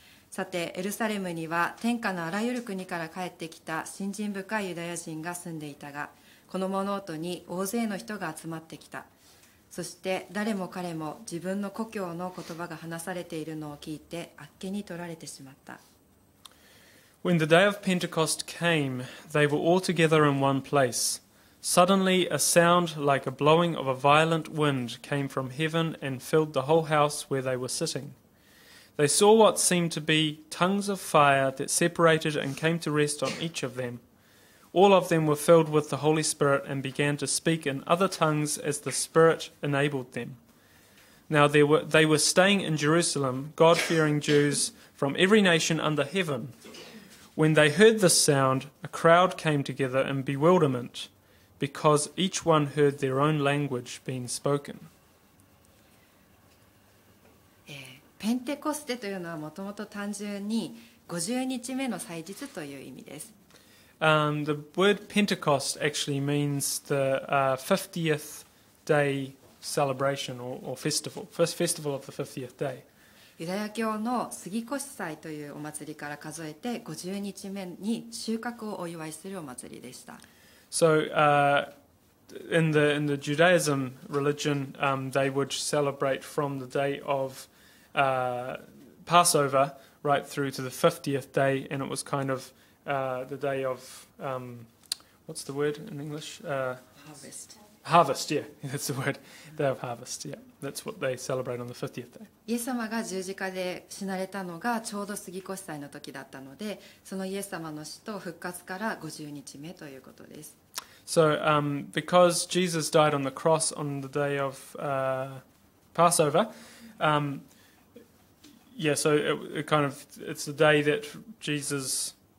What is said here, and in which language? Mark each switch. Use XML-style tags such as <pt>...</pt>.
<ja>さてエルサレムには天下のあらゆる国から帰ってきた信心深いユダヤ人が住んでいたがこの物音に大勢の人が集まってきたそして誰も彼も自分の故郷の言葉が話されているのを聞いてあっけに取られてしまった</ja> <en>When the day of Pentecost came, they were all together in one place. Suddenly a sound like a blowing of a violent wind came from heaven and filled the whole house where they were sitting. They saw what seemed to be tongues of fire that separated and came to rest on each of them. All of them were filled with the Holy Spirit and began to speak in other tongues as the Spirit enabled them. Now they were staying in Jerusalem, God-fearing Jews from every nation under heaven. When they heard this sound, a crowd came together in bewilderment because each one heard their own language being spoken.</en> <ja>ペンテコステというのはもともと単純に50日目の祭日という意味です。</ja> <en>The word Pentecost actually means the 50th day celebration or festival, first festival of the 50th day.</en> <ja>ユダヤ教の杉越祭というお祭りから数えて50日目に収穫をお祝いするお祭りでした。</ja> <en>So, in the Judaism religion, they would celebrate from the day of Passover right through to the 50th day, and it was kind of the day of what's the word in English? Harvest. Harvest, yeah, that's the word. Day of harvest, yeah, that's what they celebrate on the 50th day.</en> <ja>イエス様が十字架で死なれたのがちょうど杉越祭の時だったので、そのイエス様の死と復活から50日目ということです。</ja> <en>So, because Jesus died on the cross on the day of Passover, it's the day that Jesus</en>